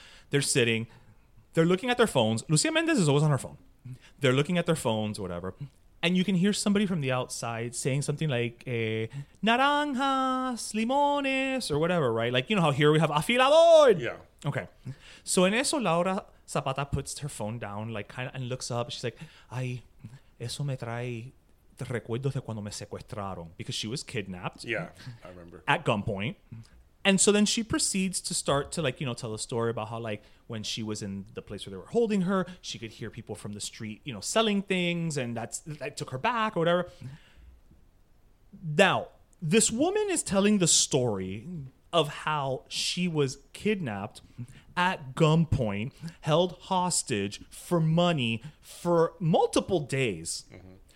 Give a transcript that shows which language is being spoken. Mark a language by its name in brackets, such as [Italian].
[English] They're sitting. They're looking at their phones. Lucia Méndez is always on her phone. They're looking at their phones or whatever. And you can hear somebody from the outside saying something like, naranjas, limones, or whatever, right? Like, you know how here we have afilador. Yeah. Okay. So [Spanish] en eso, [English] Laura Zapata puts her phone down, like kind of, and looks up. She's like, [Spanish] ay, eso me trae recuerdos de cuando me secuestraron. [English] Because she was kidnapped. Yeah, I remember. At gunpoint. And so then she proceeds to start to, like, you know, tell a story about how, like, when she was in the place where they were holding her, she could hear people from the street, you know, selling things, and that took her back or whatever. Now, this woman is telling the story of how she was kidnapped at gunpoint, held hostage for money for multiple days. Mm-hmm.